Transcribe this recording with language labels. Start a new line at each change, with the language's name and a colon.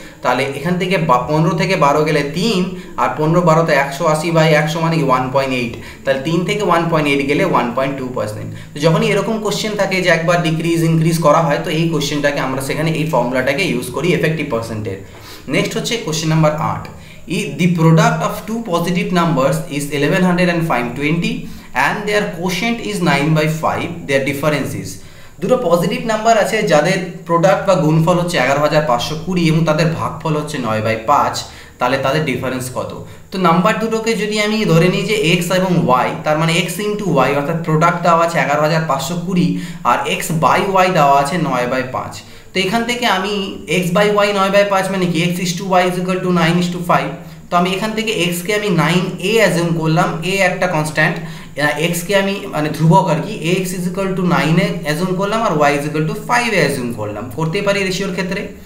Bangla: তাহলে এখান থেকে 15 থেকে 12 গেলে 3, আর 15 / 12 = 180/100 মানে কি 1.8, তাহলে 3 থেকে 1.8 গেলে 1.2%। যখনই এরকম কোশ্চেন থাকে যে একবার ডিক্রিজ ইনক্রিজ করা হয় তো এই কোশ্চেনটাকে আমরা সেখানে এই ফর্মুলাটাকে ইউজ করি এফেক্টিভ পার্সেন্টের। নেক্সট হচ্ছে question number 8,
English: the product of two positive numbers is 1120 and their quotient is 9 by 5, their difference is.
Bangla: দুটো পজিটিভ নাম্বার আছে যাদের প্রোডাক্ট বা গুণফল হচ্ছে 11520 এবং তাদের ভাগফল হচ্ছে 9/5, তাহলে তাদের ডিফারেন্স কত? তো নাম্বার দুটোকে যদি আমি ধরে নিই যে এক্স এবং ওয়াই, তার মানে এক্স ইনটু ওয়াই অর্থাৎ প্রোডাক্ট দেওয়া আছে 11520 আর এক্স বাই ওয়াই দেওয়া আছে 9/5, তো এখান থেকে আমি এক্স বাই ওয়াই 9/5 মানে কি x is to Y is equal to 9:5, তো আমি এখান থেকে এক্স কে আমি 9a অ্যাজিউম করলাম, a একটা কনস্ট্যান্ট, এক্স কে আমি মানে ধ্রুবক আর কি,
English: X is equal to 9
Bangla: assume করলাম আর Y is equal to 5 assume করলাম, করতে পারি রেশিওর ক্ষেত্রে।